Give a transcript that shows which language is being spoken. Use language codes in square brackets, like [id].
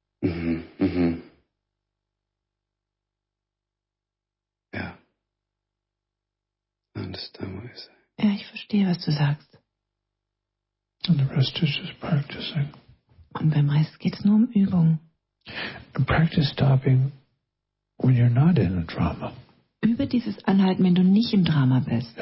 [de] Ja. [en] Yeah. I understand what you say. [de] Ja, ich verstehe, was du sagst. [en] And the rest is just practicing. [de] Und beim Rest geht es nur um Übung. [en] And practice stopping when you're not in a drama. [de] Übe dieses Anhalten, wenn du nicht im Drama bist.